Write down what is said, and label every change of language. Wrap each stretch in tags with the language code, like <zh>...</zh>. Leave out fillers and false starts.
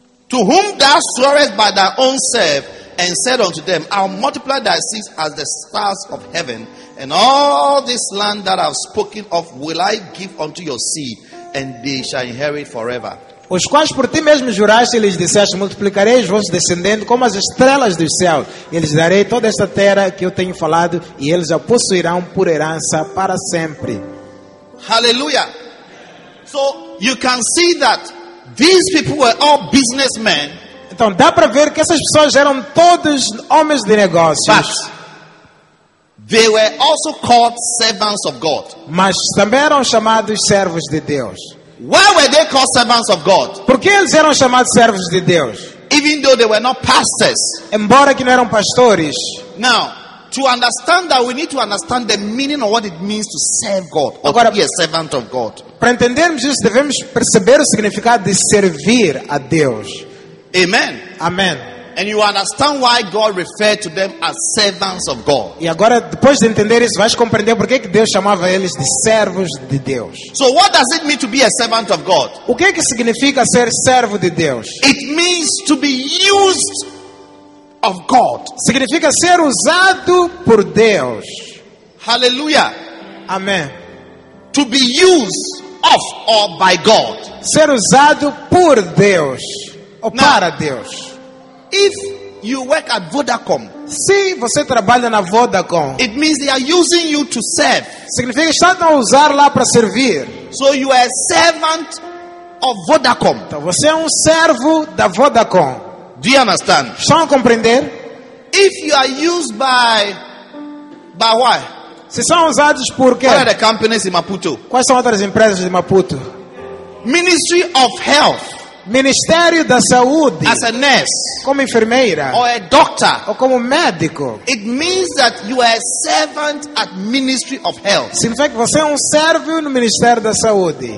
<en>To whom thou swearest by thy own self and said unto them, I'll multiply thy seed as the stars of heaven, and all this land that I've spoken of will I give unto your seed. And they shall inherit forever.</en> <pt>Os quais por ti mesmo juraste, eles disseste, multiplicarei os vossos descendentes como as estrelas dos céus. Eles darei toda esta terra que eu tenho falado, e eles a possuirão por herança para sempre.</pt> <en>Hallelujah. So you can see that these people were all businessmen.</en> <pt>Então dá para ver que essas pessoas eram todos homens de negócios.</pt> <en>But they were also called servants of God.</en> <pt>Mas também eram chamados servos de Deus.</pt> <en>Why were they called servants of God?</en> <pt>Porque eles eram chamados servos de Deus.</pt> <en>Even though they were not pastors.</en> <pt>Embora que não eram pastores.</pt> <en>Now, to understand that, we need to understand the meaning of what it means to serve God or agora, to be a servant of God.</en> <pt>Para entendermos isso, devemos perceber o significado de servir a Deus.</pt> <en>Amen. Amen. And you understand why God referred to them as servants of God.</en> <pt>E agora, depois de entender isso, vais compreender por que Deus chamava eles de servos de Deus.</pt> <en>So what does it mean to be a servant of God?</en> <pt>O que significa ser servo de Deus?</pt> <en>It means to be used of God.</en> <pt>Significa ser usado por Deus.</pt> <en>Hallelujah. Amen. To be used of or by God.</en> <pt>Ser usado por Deus ou</pt> <en>now,</en> <pt>para Deus.</pt> <en>If you work at Vodacom,</en> <pt>se você trabalha na Vodacom,</pt> <en>it means they are using you to serve.</en> <pt>Significa que estão a usar lá para servir.</pt> <en>So you are a servant of Vodacom.</en> <pt>Então você é servo da Vodacom.</pt> <en>Do you understand?</en> <pt>Estão a compreender?</pt> <en>If you are used by why?</en> <pt>Se são usados por quê?</pt> <en>What are the companies in Maputo?</en> <pt>Quais são outras empresas de Maputo?</pt> <en>Ministry of Health.</en> <pt>Ministério da Saúde.</pt> <en>As a nurse,</en> <pt>como enfermeira.</pt> <en>Or a doctor,</en> <pt>ou como médico.</pt> <en>It means that you are a servant at Ministry of Health.</en> <pt>Significa que você é servo no Ministério da Saúde.</pt>